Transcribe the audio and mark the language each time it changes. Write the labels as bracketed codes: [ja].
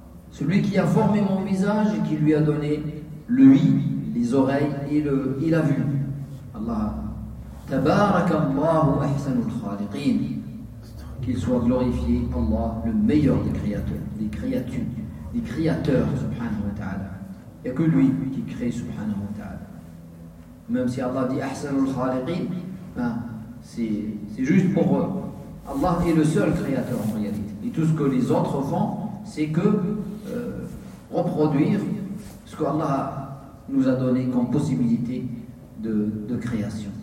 [fr] Celui qui a formé mon visage et qui lui a donné l'œil, les oreilles et la vue. Allah. [ar] تبارك الله أحسن الخالقين. [fr] Qu'il soit glorifié Allah, le meilleur des créateurs, des créatures, des créateurs subhanahu wa ta'ala. Il n'y a que lui qui crée subhanahu wa ta'ala. Même si Allah dit [ar] أحسن الخالقين, [fr] ben, c'est juste pour eux. Allah est le seul créateur en réalité. Et tout ce que les autres font, c'est que reproduire ce que Allah nous a donné comme possibilité de création.